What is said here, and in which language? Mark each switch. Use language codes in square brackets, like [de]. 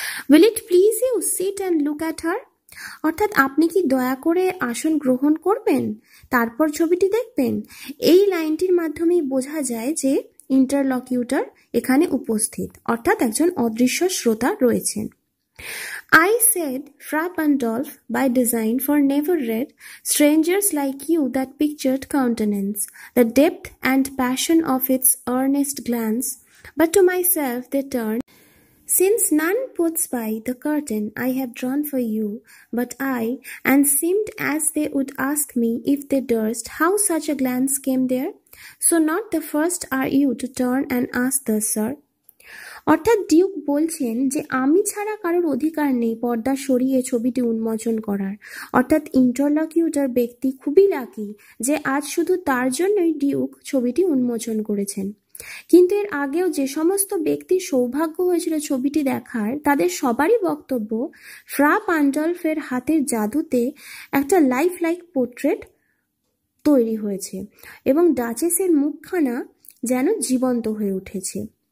[en] will it please you sit and look at her, [bn] অর্থাৎ আপনি কি দয়া করে আসন গ্রহণ করবেন তারপর ছবিটি দেখবেন। এই লাইনটির মাধ্যমেই বোঝা যায় যে ইন্টারলকিউটার এখানে উপস্থিত, অর্থাৎ একজন অদৃশ্য শ্রোতা রয়েছেন। [en] I said, Fra Pandolf, by design, for never read strangers like you that pictured countenance, the depth and passion of its earnest glance, but to myself they turned, since none puts by the curtain I have drawn for you, but I, and seemed as they would ask me, if they durst, how such a glance came there, so not the first are you to turn and ask thus, sir. [bn] অর্থাৎ Duke বলছেন যে আমি ছাড়া কারোর অধিকার নেই পর্দা সরিয়ে ছবিটি উন্মোচন করার, অর্থাৎ ইন্টারলকিউটার ব্যক্তি খুবই লাকি যে আজ শুধু তার জন্যই ডিউক ছবিটি উন্মোচন করেছেন। কিন্তু এর আগেও যে সমস্ত ব্যক্তির সৌভাগ্য হয়েছিল ছবিটি দেখার, তাদের সবারই বক্তব্য ফ্রা পান্ডলফের হাতের জাদুতে একটা লাইফ লাইক পোর্ট্রেট তৈরি হয়েছে এবং ডাচেসের মুখখানা যেন জীবন্ত হয়ে উঠেছে।